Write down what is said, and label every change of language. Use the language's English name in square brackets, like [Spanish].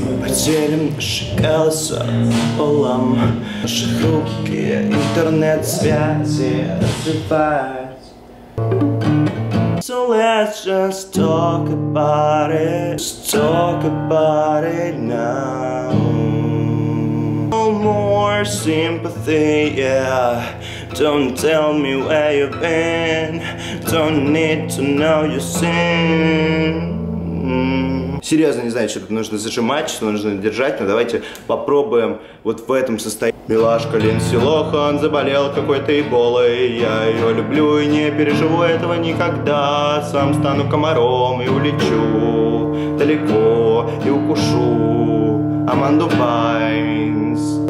[Russian] Делим наши голоса полом, наши руки, интернет-связи развивать. [English] So let's just talk about it, let's talk about it now. No more sympathy, yeah. Don't tell me where you've been, don't need to know your sin. [Russian] Серьезно, не знаю, что тут нужно зажимать, что нужно держать, но давайте попробуем вот в этом состоянии. Милашка Линдси Лохан заболел какой-то эболой, я ее люблю и не переживу этого никогда. Сам стану комаром и улечу далеко и укушу Аманду Пайнс.